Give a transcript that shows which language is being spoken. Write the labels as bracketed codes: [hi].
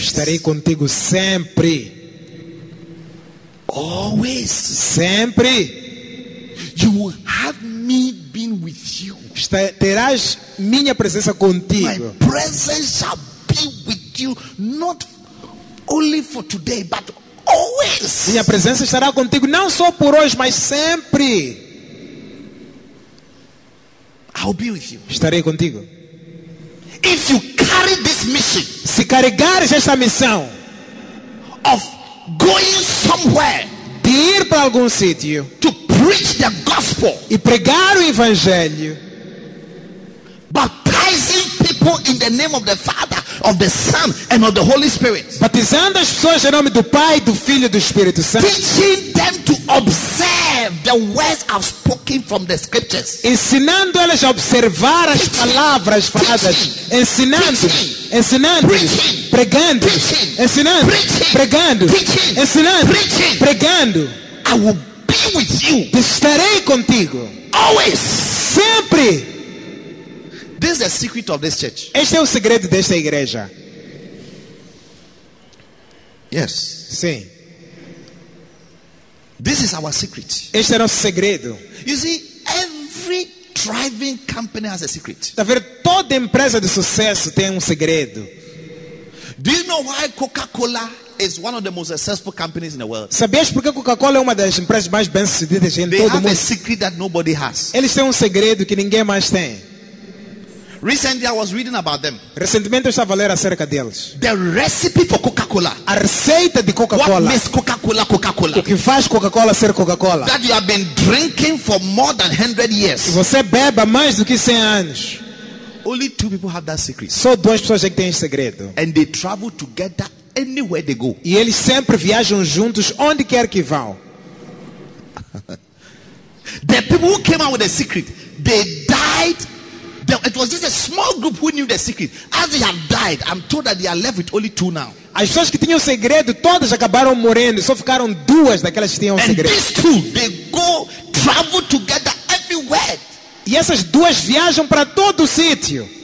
[pt] Estarei contigo sempre. [en] Always. [pt] Sempre. [en] You will have me being with you. [pt] Terás minha presença contigo. [en] My presence shall be with you, not only for today, but always. [pt] Minha presença estará contigo não só por hoje, mas sempre. [en] I'll be with you. [pt] Estarei contigo. [en] If you carry this mission, [pt] se carregares esta missão, [en] of going somewhere, [pt] de ir para algum sítio, [en] to preach the gospel, gospel. [pt] E pregar o evangelho. [en] Baptizing people in the name of the Father, of the Son, and of the Holy Spirit. [pt] Batizando as pessoas em nome do Pai, do Filho e do Espírito Santo. [en] Teaching them to observe the words I've spoken from the scriptures. [pt] Ensinando elas a observar as palavras faladas. Ensinando, pregando. [en] I will be with you. [pt] Estarei contigo. [en] Always. [pt] Sempre. [en] This is the secret of this church. [pt] Este é o segredo desta igreja. [en] Yes. [pt] Sim. [en] This is our secret. [pt] Este é o nosso segredo. [en] You see, every thriving company has a secret. [pt] Está vendo? Toda empresa de sucesso tem um segredo. [en] Do you know why Coca-Cola is one of the most successful companies in the world? [pt] Sabias por que Coca-Cola é uma das empresas mais bem-sucedidas em todo o mundo? [en] They have a secret that nobody has. [pt] Eles têm um segredo que ninguém mais tem. [en] Recently, I was reading about them. [pt] Recentemente eu estava a ler acerca deles. [en] The recipe for Coca-Cola. [pt] A receita de Coca-Cola. [en] What makes Coca-Cola Coca-Cola? [pt] O que faz Coca-Cola ser Coca-Cola? [en] That you have been drinking for more than 100 years. [pt] E você bebe mais do que 100 anos. [en] Only two people have that secret. [pt] Só duas pessoas é que têm esse segredo. [en] And they travel together anywhere they go. [pt] E eles sempre viajam juntos onde quer que vão. [en] The people who came out with the secret, they died. It was just a small group who knew the secret. As they have died, I'm told that they are left with only two now. [pt] As pessoas que tinham segredo, todas acabaram morrendo. Só ficaram duas daquelas que tinham segredo. [en] And these two, they go travel together everywhere. [pt] E essas duas viajam para todo o sítio.